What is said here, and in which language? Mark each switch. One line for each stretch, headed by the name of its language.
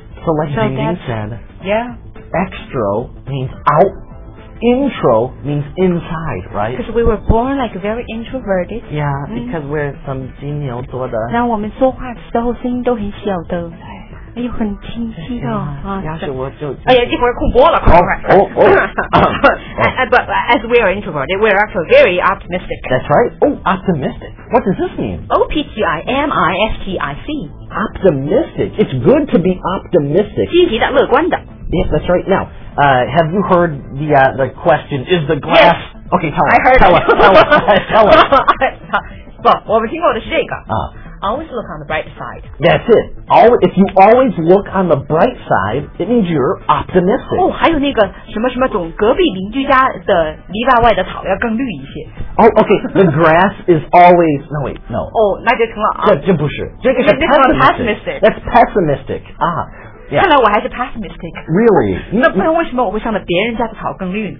English: So like Jamie said. Yeah. Extro means out. Intro means inside, right? Because we were born like very introverted. Yeah, because we're from
Chinese: 金牛座的。然后我们说话的时候声音都很小的。哎呦，很清晰的啊！哎呀，一会儿空播了，快！
English: But as we are introverted, we are also very optimistic. That's right. Oh, optimistic. What does this mean? Optimistic. Optimistic. It's good to be optimistic.
Chinese: 积极的，乐观的。
English: Yeah, that's right. Now, have you heard the question? Is the glass yes, okay? Tell us. I heard. Tell us.
Chinese: 不，我们听过的是这个啊。
English: Always look on the bright side. That's it. If you always look on the bright side, it means you're optimistic. Oh,
Chinese: 还有那个什么什么种，隔壁邻居家的篱笆外的草要更绿一些。
English: Oh, okay. The grass is always. No, wait, no. Oh,
Chinese: 那就成了啊。这不是，这个是
English: pessimistic. That's pessimistic. Ah. Yeah.
Chinese: 看来我还是 pessimistic.
English: Really?
Chinese: 那不然为什么我会上的别人家的草更绿呢？